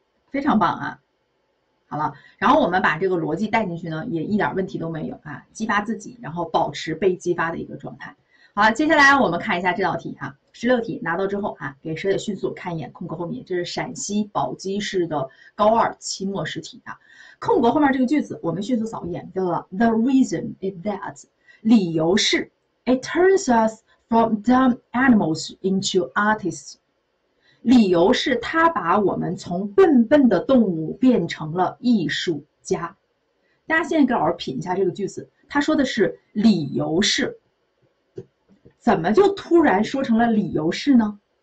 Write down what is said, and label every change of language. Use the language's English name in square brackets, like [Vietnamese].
[Chinese] 非常棒啊！好了，然后我们把这个逻辑带进去呢，也一点问题都没有啊，激发自己，然后保持被激发的一个状态。好了，接下来我们看一下这道题啊，16题拿到之后啊，给舍姐迅速看一眼空格后面，这是陕西宝鸡市的高二期末试题啊。空格后面这个句子，我们迅速扫一眼，叫做 [English] The reason is that， [Chinese] 理由是 [English] It turns us from dumb animals into artists。 [Chinese] 理由是他把我们从笨笨的动物变成了艺术家。大家现在给老师品一下这个句子，他说的是理由是，怎么就突然说成了理由是呢？